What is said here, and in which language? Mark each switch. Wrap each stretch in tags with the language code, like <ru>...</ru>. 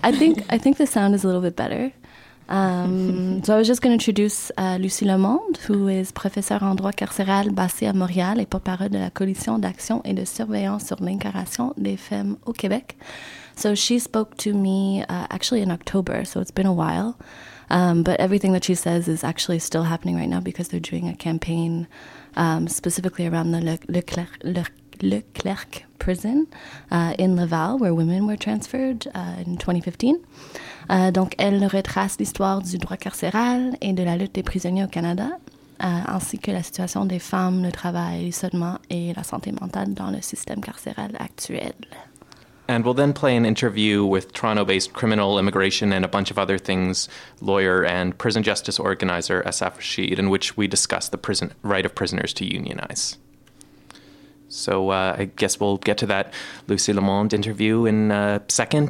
<en>I think the sound is a little bit better. So I was just going to introduce Lucie Lemond, who is</en> <fr>professeur en droit carcéral basée à Montréal et porte-parole de la Coalition d'action et de surveillance sur l'incarcération des femmes au Québec.</fr> <en>So she spoke to me actually in October, so it's been a while. But everything that she says is actually still happening right now because they're doing a campaign specifically around the Leclerc prison in Laval, where women were transferred in 2015.</en> <fr>Donc, elle retrace l'histoire du droit carcéral et de la lutte des prisonniers au Canada, ainsi que la situation des femmes, le travail, l'isolement et la santé mentale dans le système carcéral actuel.</fr> <en>And we'll then play an interview with Toronto-based criminal, immigration, and a bunch of other things, lawyer and prison justice organizer Asaf Rashid, in which we discuss the prison, right of prisoners to unionize. So I guess we'll get to that Lucie Lemond interview in a second.</en>